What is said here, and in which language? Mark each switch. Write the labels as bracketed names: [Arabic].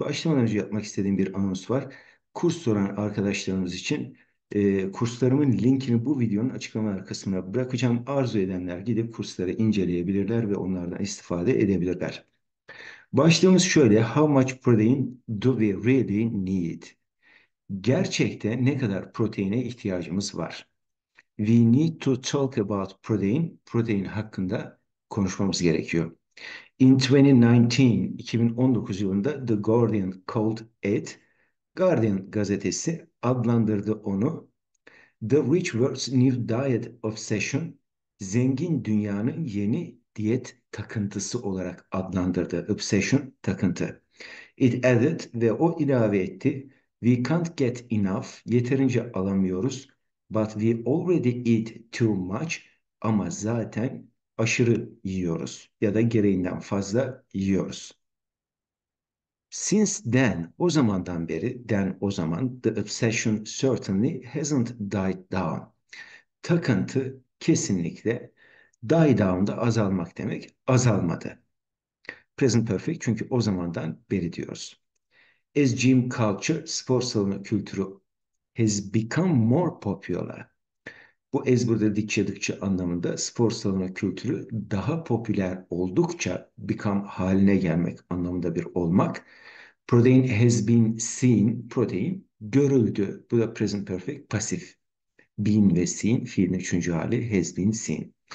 [Turkish] Başlamadan önce yapmak istediğim bir anons var. Kurs soran arkadaşlarımız için kurslarımın linkini bu videonun açıklamalar kısmına bırakacağım. Arzu edenler gidip kursları inceleyebilirler ve onlardan istifade edebilirler. Başlığımız şöyle: [English] How much protein do we really need? [Turkish] Gerçekte ne kadar proteine ihtiyacımız var? [English] We need to talk about protein. [Turkish] Protein hakkında konuşmamız gerekiyor. [English] In 2019, [Turkish] 2019 yılında [English] The Guardian called it, [Turkish] Guardian gazetesi adlandırdı onu, [English] The Rich World's New Diet Obsession, [Turkish] zengin dünyanın yeni diyet takıntısı olarak adlandırdı. Obsession, takıntı. [English] It added [Turkish] ve o ilave etti, [English] We can't get enough, [Turkish] yeterince alamıyoruz. [English] But we already eat too much, [Turkish] ama zaten aşırı yiyoruz ya da gereğinden fazla yiyoruz. [English] Since then, [Turkish] o zamandan beri, [English] then [Turkish] o zaman, [English] the obsession certainly hasn't died down. [Turkish] Takıntı kesinlikle die down da azalmak demek, azalmadı. Present perfect çünkü o zamandan beri diyoruz. [English] As gym culture, [Turkish] spor salonu kültürü [English] has become more popular. [Turkish] Bu as burada dikçe anlamında spor salonu kültürü daha popüler oldukça become haline gelmek anlamında bir olmak. [English] Protein has been seen, [Turkish] protein görüldü. Bu da present perfect, pasif. Been ve seen, fiilin üçüncü hali [English] has been seen.